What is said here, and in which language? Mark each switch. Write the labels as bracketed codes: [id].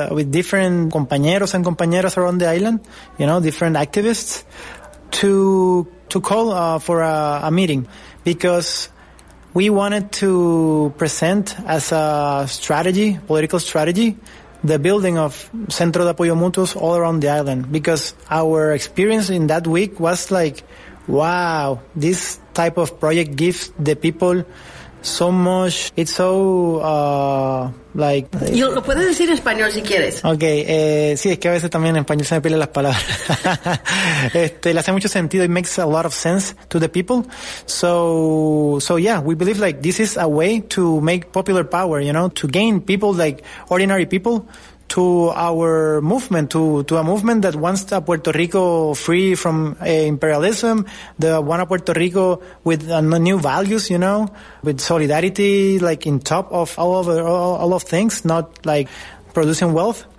[en] different compañeros and compañeras around the island, you know, different activists to call for a meeting, because we wanted to present as a strategy, political strategy, the building of Centro de Apoyo Mutuos all around the island. Because our experience in that week was like, wow, this type of project gives the people so much. It's so like. [es] Yo lo puedes decir en español si quieres. Okay, sí, es que a veces también en español se me pierden las palabras. Este, le hace mucho sentido. [en] It makes a lot of sense to the people. So yeah, we believe like this is a way to make popular power. You know, to gain people, like ordinary people, to our movement, to a movement that wants a Puerto Rico free from imperialism, the want a Puerto Rico with new values, you know, with solidarity, like in top of all of things, not like producing wealth.